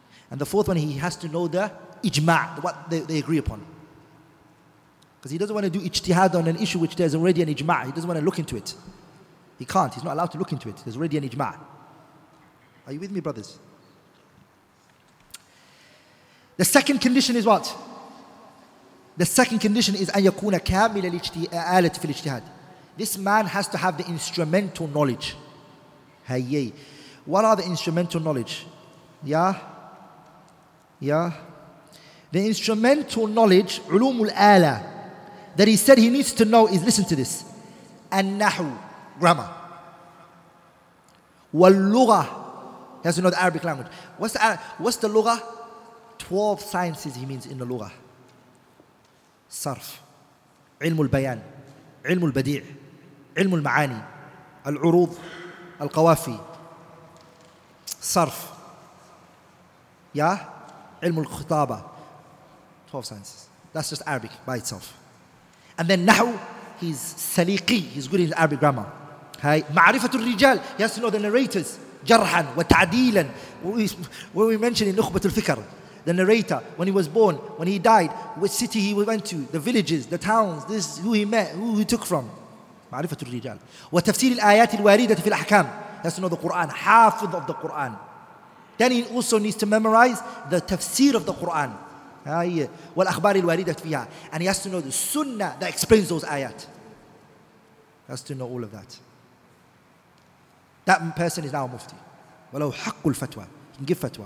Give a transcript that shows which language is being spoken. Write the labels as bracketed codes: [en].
[en] And the fourth one, he has to know the ijma', what they agree upon. Because he doesn't want to do ijtihad on an issue which there's already an ijma'. He doesn't want to look into it. He can't. He's not allowed to look into it. There's already an ijma'. Are you with me, brothers? The second condition is what? The second condition is [ar] أن يكون كامل الآلة في الاجتهاد. [en] This man has to have the instrumental knowledge. هيي. What are the instrumental knowledge? Yeah. The instrumental knowledge, علوم الآلة, that he said he needs to know is, listen to this, النحو, grammar. واللغة, he has to know the Arabic language. What's the لغة? 12 sciences he means in the لغة. [ar] صرف, علم البيان, علم البديع, علم المعاني, العروض, القوافي, صرف, yeah, علم الخطابة, [en] 12 sciences. That's just Arabic by itself. And then نحو, he's سليقي, he's good in Arabic grammar. [ar] هاي معرفة الرجال, [en] he has to know the narrators, [ar] جرحاً وتعديلاً. [en] When we mention in نخبة الفكر, the narrator, when he was born, when he died, which city he went to, the villages, the towns, this who he met, who he took from. [ar] معرفة الرجال. وتفسير الآيات الواردة في الأحكام. [en] He has to know the Quran, حافظ of the Quran. Then he also needs to memorize the tafsir of the Quran. [ar] والأخبار الواردة فيها. [en] And he has to know the sunnah that explains those ayat. He has to know all of that. That person is now a mufti. [ar] ولو حق الفتوى. [en] He can give fatwa.